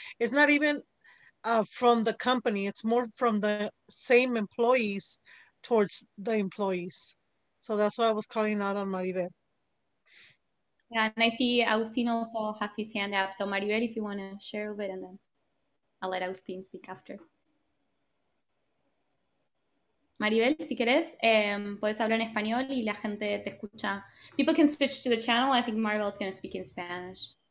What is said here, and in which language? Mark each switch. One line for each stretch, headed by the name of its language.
English: It's not even from the company. It's more from the same employees towards the employees. So that's why I was calling out on Maribel. Yeah, and I see Agustin also has his hand up. So Maribel, if you want to share a bit, and then I'll let Agustin speak after.
Spanish: Maribel, si quieres, puedes hablar en español y la gente te escucha.
English: People can switch to the channel. I think Maribel is going to speak in Spanish.